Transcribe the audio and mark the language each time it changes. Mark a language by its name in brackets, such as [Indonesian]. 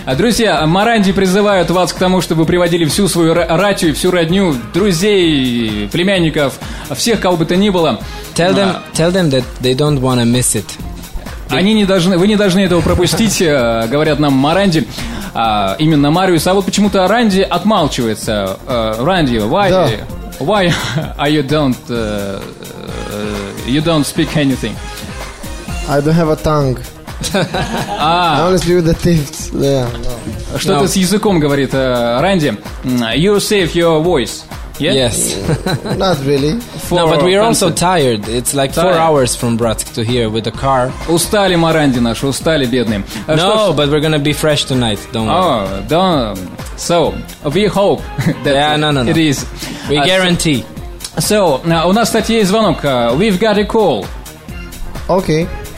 [Russian] Друзья, Маранди призывают вас к тому, чтобы приводили всю свою рать и всю родню, друзей, племянников, всех, кого бы то ни было. [English] Tell them that they don't want to miss it. [Russian] Вы не должны этого пропустить, говорят нам Маранди. Именно Мариус, а вот почему-то Ранди отмалчивается. [English] Ранди, why are you don't speak anything? I don't have a tongue. Honestly, with the teeth. Yeah, no. [Russian] Что-то с языком говорит Ранди. [English] You save your voice. Yeah? Yes. Not really. But we're also tired. It's like 4 hours from Bratsk to here with a car. [Russian] Устали мы, Ранди наш, устали, бедные. [English] No, but we're gonna be fresh tonight. Don't worry. So we hope that it is. We guarantee. [Russian] So у нас, кстати, есть звонок. [English] We've got a call. Okay.